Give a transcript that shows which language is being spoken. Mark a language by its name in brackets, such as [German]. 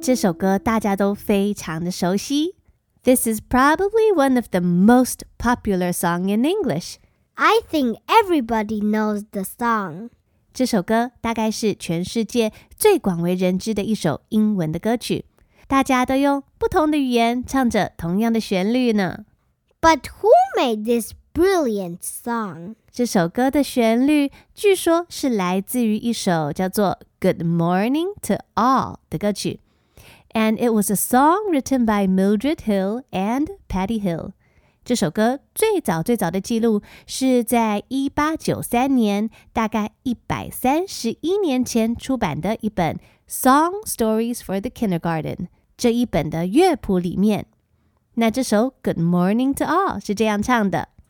[Chinese] 这首歌大家都非常的熟悉。 [English] This is probably one of the most popular song in English. I think everybody knows the song. [Chinese] 这首歌大概是全世界最广为人知的一首英文的歌曲。大家都用不同的语言唱着同样的旋律呢。 [English] But who made this brilliant song? [Chinese] 这首歌的旋律据说是来自于一首叫做 Good Morning to All 的歌曲。 [English] And it was a song written by Mildred Hill and Patti Hill. [Chinese] 这首歌最早最早的记录是在1893年，大概131年前出版的一本 Song Stories for the Kindergarten. 这一本的乐谱里面。那这首 Good Morning to All 是这样唱的。